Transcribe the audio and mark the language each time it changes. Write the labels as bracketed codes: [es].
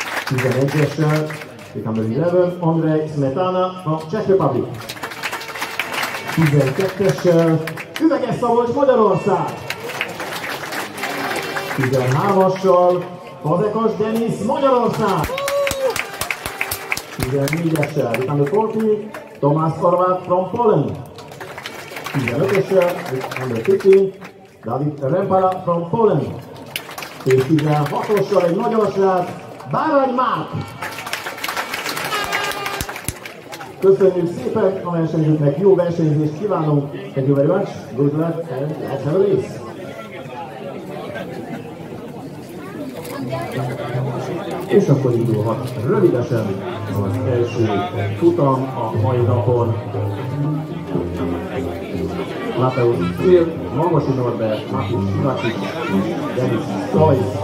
[hu] 11-es, [en] with number 11, Andrej Smetana from Czech Republic. [hu] 12-es, Üveges Szabolcs Magyarország. 13-assal, Fazekas Denis Magyarország. 14-essel, [en] with number 14, Tomás Horváth from Poland. [hu] 15-essel, [en] with number 15, David Rempala from Poland. [hu] És 16-ossal egy nagyon srác, Bárány Márk. Köszönjük szépen a versenyzőknek, jó versenyzést kívánunk. [en] Thank you very much, good luck and let's have a race. [hu] És akkor indulhat rövidesen az első futam a mai napon. Lápeu Cél, Magasi Norbert, Mátus Sivacsik, Denis Kaj.